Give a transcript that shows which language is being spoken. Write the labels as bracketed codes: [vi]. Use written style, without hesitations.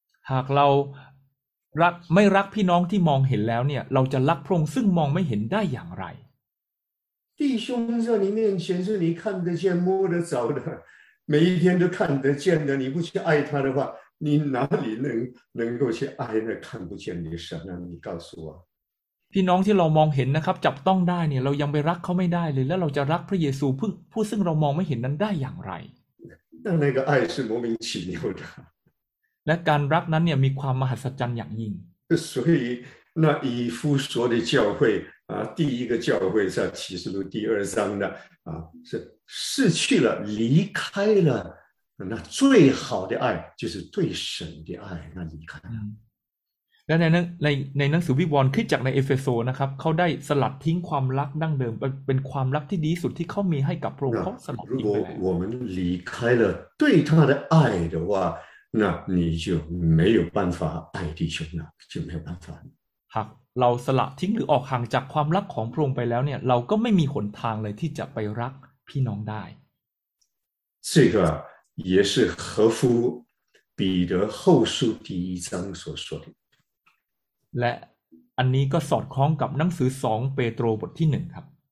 [th] หากเรารักไม่รักพี่น้องที่มองเห็นแล้วเนี่ยเราจะรักพระองค์ซึ่งมองไม่เห็นได้อย่างไร [zh] 弟兄在你面前是你看得见摸得着的每一天都看得见的你不去爱他的话你哪里能够去爱那看不见的神呢你告诉我 [th] พี่น้องที่เรามองเห็นนะครับจับต้องได้เนี่ยเรายังไปรักเขาไม่ได้เลยแล้วเราจะรักพระเยซูผู้ซึ่งเรามองไม่เห็นนั้นได้อย่างไร นั่นก็ [zh] 爱是莫名其妙的 [th] และการรักนั้นเนี่ยมีความมหัศจรรย์อย่างยิ่ง [zh] 所以那以弗所的教会啊第一个教会在启示录第二章的啊是失去了离开了那最好的爱就是对神的爱那离开 [th] 了และในหนังสือวิวรณ์คริสตจักรในเอเฟโซนะครับเขาได้สลัดทิ้งความรักดั้งเดิมเป็นความรักที่ดีสุดที่เขามีให้กับพระองค์เขาสลัดทิ้งไปแล้ว [zh] 如果我们离开了对他的爱的话那你就没有办法爱弟兄了就没有办法 [th] หากเราสละทิ้งหรือออกห่างจากความรักของพระองค์ไปแล้วเนี่ยเราก็ไม่มีหนทางเลยที่จะไปรักพี่น้องได้ [zh] 这个也是合乎彼得后书第一章所说的 [th] และอันนี้ก็สอดคล้องกับหนังสือ2เปโตรบทที่1ครับ